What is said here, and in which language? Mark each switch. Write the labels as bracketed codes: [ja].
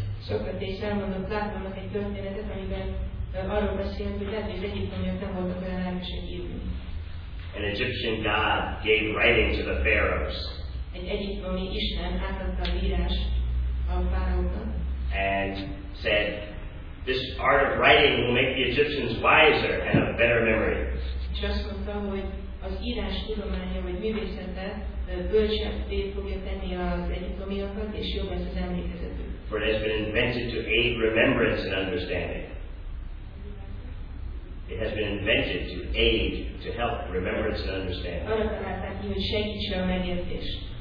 [hu] Socrates számolta Plátónak egy történetet, amiben arról beszélt, hogy lehet, hogy az egyiptomiak nem voltak olyan lelkesek írni. [en] An Egyptian god gave writing to the pharaohs. [hu] Egy egyiptomi isten átadta az írást a fáraóknak. [en] And said, this art of writing will make the Egyptians wiser and have a better memory. [hu] Just mondta, hogy az írás tudománya vagy művészete bölcsebbé fogja tenni az egyiptomiakat, és jobb lesz az emlékezetük. [en] For it has been invented to aid remembrance and understanding. It has been invented to aid, to help remembrance and understanding. [hu] Arra találták ki, hogy segítse a megértést.